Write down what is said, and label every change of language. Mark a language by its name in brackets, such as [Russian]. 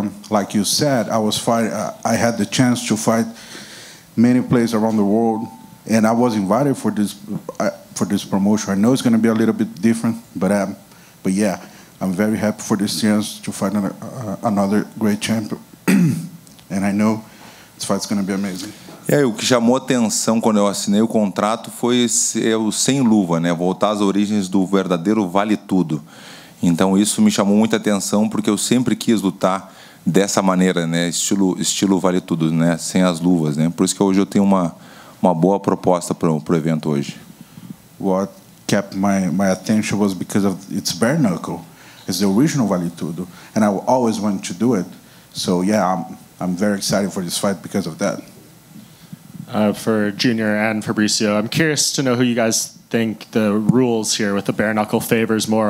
[English] Like you said, I had the chance to fight many places around the world, and I was invited for this promotion. I know it's going to be a little bit different, but yeah, I'm very happy for this chance to fight another great champion, and I know this fight's going to be amazing. [Portuguese] É, o que chamou atenção quando eu assinei o contrato foi o sem luva, né? Voltar às origens do verdadeiro vale tudo. Então isso me chamou muita atenção porque eu sempre quis lutar dessa maneira, né? Estilo vale tudo, né? Sem as luvas, né? Por isso que hoje eu tenho uma boa proposta pro evento hoje. [English] What kept my attention was because of its bare knuckle. It's the original vale tudo and I always wanted to do it. So yeah, I'm very excited for this fight because of that. For Junior and Fabricio, I'm curious to know who you guys think the rules here with the bare knuckle favors more.